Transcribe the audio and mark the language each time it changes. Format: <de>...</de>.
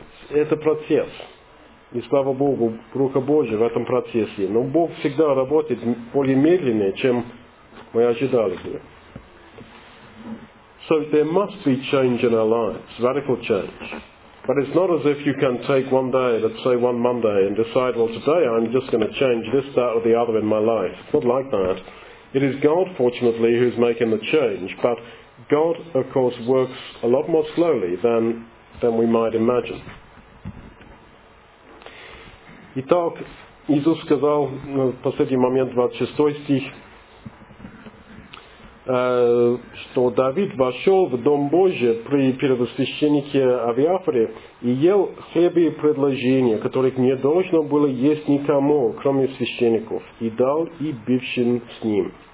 <ru>Это процесс. И слава Богу, рука Божия в этом процессе. Но Бог всегда работает более медленно, чем мы ожидали бы.</ru> <en>So there must be change in our lives, radical change. But it's not as if you can take one day, let's say one Monday, and decide, well, today I'm just going to change this, that, or the other in my life. It's not like that. It is God, fortunately, who's making the change. But God, of course, works a lot more slowly than we might imagine.</en> <ru>Итак, Иисус сказал в последний момент, 26 стих, что Давид вошел в Дом Божий при первосвященнике Авиафоре и ел хлеб и предложения, которых не должно было есть никому, кроме священников, и дал и бывшим с ним.</ru>